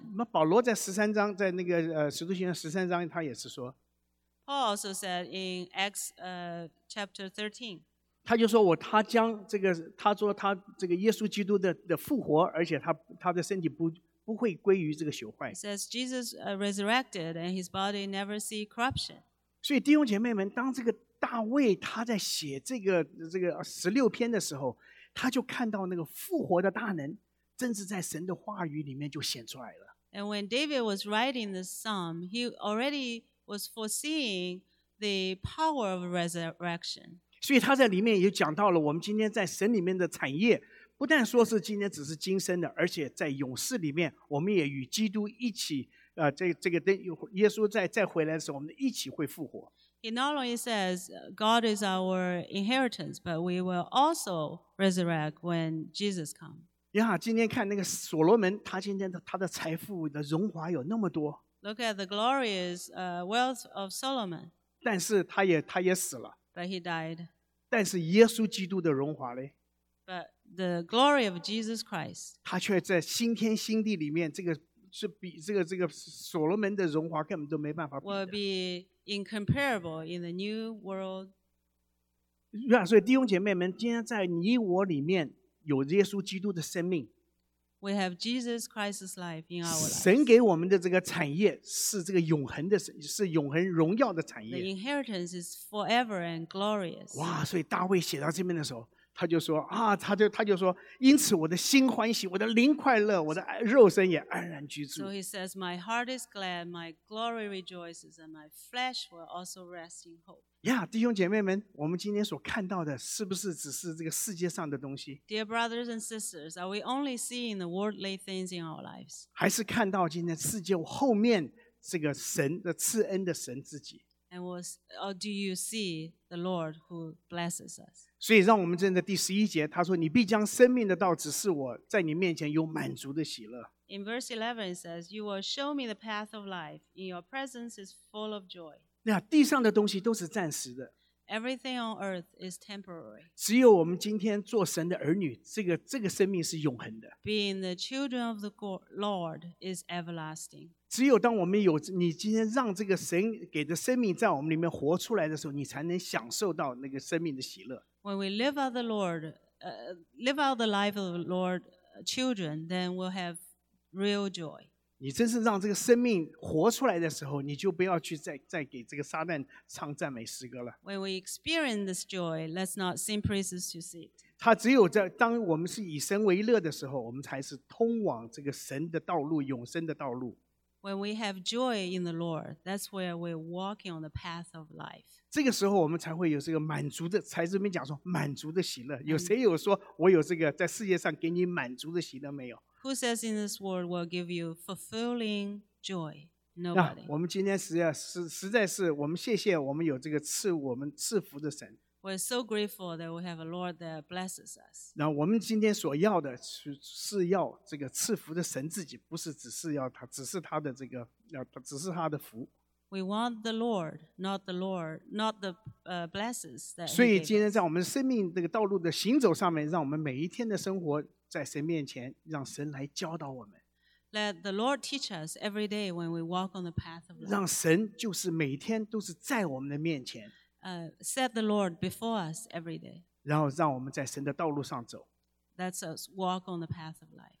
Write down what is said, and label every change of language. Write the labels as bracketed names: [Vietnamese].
[Chinese] 然后，那保罗在十三章，在那个使徒行传十三章，他也是说。 [English] Paul also said in Acts chapter 13. [Chinese] 他就说他说耶稣基督的复活，而且他的身体不会归于这个朽坏。 [English] Says Jesus resurrected and his body never see corruption. [Chinese] 所以弟兄姐妹们，当这个大卫他在写这个十六篇的时候，他就看到那个复活的大能，正是在神的话语里面就显出来了。 [English] And when David was writing this psalm, he already was foreseeing the power of resurrection. [Chinese] 所以他在里面也讲到了我们今天在神里面的产业。不但说是今天只是今生的，而且在永世里面，我们也与基督一起，耶稣再回来的时候，我们一起会复活。 [English] He not only says God is our inheritance, but we will also resurrect when Jesus comes. [Chinese] Yeah, 今天看那个所罗门，他今天他的财富的荣华有那么多。 [English] Look at the glorious wealth of Solomon. [Chinese] 但是他也死了。 [English] But he died. [Chinese] 但是耶稣基督的荣华嘞？ [English] The glory of Jesus Christ. [Chinese] 他却在新天新地里面，这个是比这个所罗门的荣华根本都没办法比的。 [English] Will be incomparable in the new world. [Chinese] Yeah, 所以弟兄姐妹们，今天在你我里面，有耶稣基督的生命。 [English] We have Jesus Christ's life in our lives. [Chinese] 神给我们的这个产业是这个永恒的，是永恒荣耀的产业。 [English] The inheritance is forever and glorious. [Chinese] 哇，所以大卫写到这边的时候，他就说啊，他就说，因此我的心欢喜，我的灵快乐，我的肉身也安然居住。 [English] So he says, my heart is glad, my glory rejoices, and my flesh will also rest in hope. [Chinese] Yeah, 弟兄姐妹们，我们今天所看到的是不是只是这个世界上的东西？ [English] Dear brothers and sisters, are we only seeing the worldly things in our lives? [Chinese] 还是看到今天世界后面这个神的赐恩的神自己？ [English] And was, or do you see the Lord who blesses us? [Chinese] 所以让我们真的第十一节，他说：“你必将生命的道指示我，在你面前有满足的喜乐。” [English] In verse 11 says, "You will show me the path of life. In your presence is full of joy." [Chinese] 那地上的东西都是暂时的。 [English] Everything on earth is temporary. [Chinese] 只有我们今天做神的儿女，这个生命是永恒的。 [English] Being the children of the Lord is everlasting. [Chinese] 只有当我们有你今天让这个神给的生命在我们里面活出来的时候，你才能享受到那个生命的喜乐。 [English] When we live out the Lord, live out the life of the Lord, children, then we'll have real joy. [Chinese] 你真是让这个生命活出来的时候，你就不要去再给这个撒旦唱赞美诗歌了。 [English] When we experience this joy, let's not sing praises to Satan. [Chinese] 他只有在当我们是以神为乐的时候，我们才是通往这个神的道路，永生的道路。 [English] When we have joy in the Lord, that's where we're walking on the path of life. [Chinese] 这个时候我们才会有这个满足的，才这边讲说满足的喜乐。有谁有说我有这个在世界上给你满足的喜乐没有？ [English] Who says in this world will give you fulfilling joy? Nobody. 那 [Chinese] 我们今天实在是我们谢谢我们有这个赐我们赐福的神。 [English] We're so grateful that we have a Lord that blesses us. [Chinese] 那我们今天所要的是要这个赐福的神自己，不是只是要他，只是他的这个，只是他的福。 [English] We want the Lord, not the Lord, not the blessings that. [Chinese] 所以今天在我们生命这个道路的行走上面，让我们每一天的生活在神面前，让神来教导我们。 [English] Let the Lord teach us every day when we walk on the path of life. [Chinese] 让神就是每天都是在我们的面前。 [English] Set the Lord before us every day. [Chinese] 然后让我们在神的道路上走。 [English] Let's us walk on the path of life.